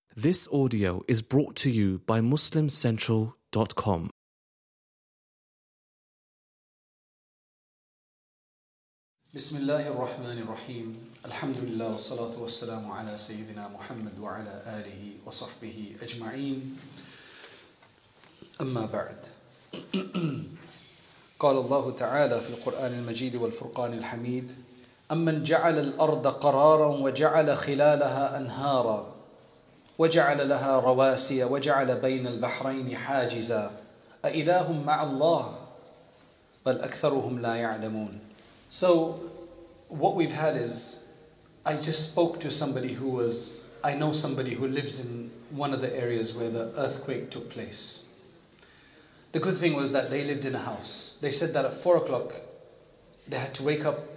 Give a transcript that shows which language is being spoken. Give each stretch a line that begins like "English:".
English: This audio is brought to you by MuslimCentral.com.
Arabic: بسم الله الرحمن الرحيم الحمد لله والصلاة والسلام على سيدنا محمد وعلى آله وصحبه أجمعين أما بعد قال الله تعالى في القرآن المجيد والفرقان الحميد أمن جعل الأرض قرارا وجعل خلالها أنهارا وجعل لها رواسي وجعل بين البحرين حاجزا أإله مع الله بل أكثرهم لا يعلمون.
English: So what we've had is, I just spoke to somebody who was, I know somebody who lives in one of the areas where the earthquake took place. The good thing was that they lived in a house. They said that at 4 o'clock, they had to wake up.